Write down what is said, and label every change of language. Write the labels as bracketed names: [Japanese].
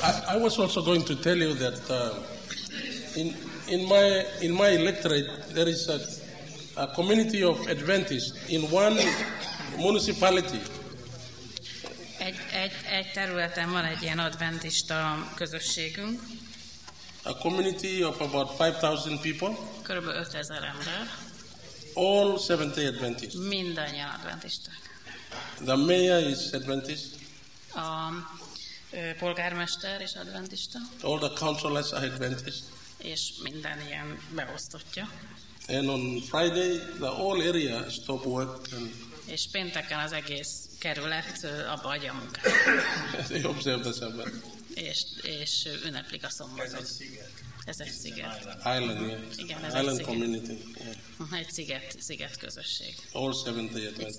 [English] I was also going to tell you that in my electorate there is a community of Adventists in one municipality. [Hungarian] Egy területen van egy ilyen adventista közösségünk. [English] A community of about 5,000 people. [Hungarian] Körülbelül 5,000 ember. [English] All Seventh-day Adventists. [Hungarian] Mindannyian adventisták. [English] The mayor is Adventist. [Hungarian] A polgármester is adventista. [English] All the councilors are Adventist. [Hungarian] És minden ilyen beosztottja. [English] And on Friday, the whole area stop work. And [Hungarian] és pénteken az egész kerület abba adja munkát. [English] They observe the Sabbath. [Hungarian] És ünneplik a szombatot. Ez egy sziget. [English] Island, yeah. [Hungarian] Igen, ez [English] island [Hungarian] egy [English] community. [Hungarian] Sziget. [English] Yeah. [Hungarian] Egy sziget közösség. [English] All Seventh-day Adventists.